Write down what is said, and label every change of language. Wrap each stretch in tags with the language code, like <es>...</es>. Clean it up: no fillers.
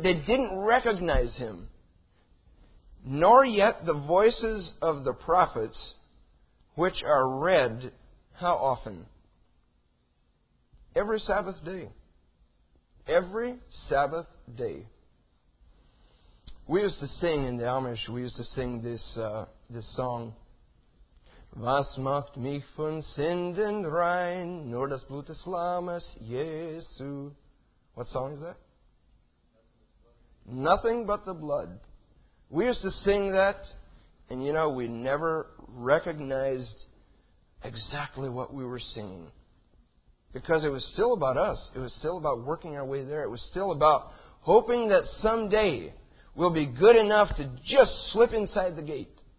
<en>They didn't recognize him. Nor yet the voices of the prophets, which are read, how often? Every Sabbath day. Every Sabbath day. We used to sing in the Amish, we used to sing this song.</en> <de>Was macht mich von Sünden rein, nur das Blut des Lammes, Jesu.</de> <en>What song is that? Nothing but the blood. We used to sing that, and you know, we never recognized exactly what we were singing. Because it was still about us. It was still about working our way there. It was still about hoping that someday we'll be good enough to just slip inside the gate.</en>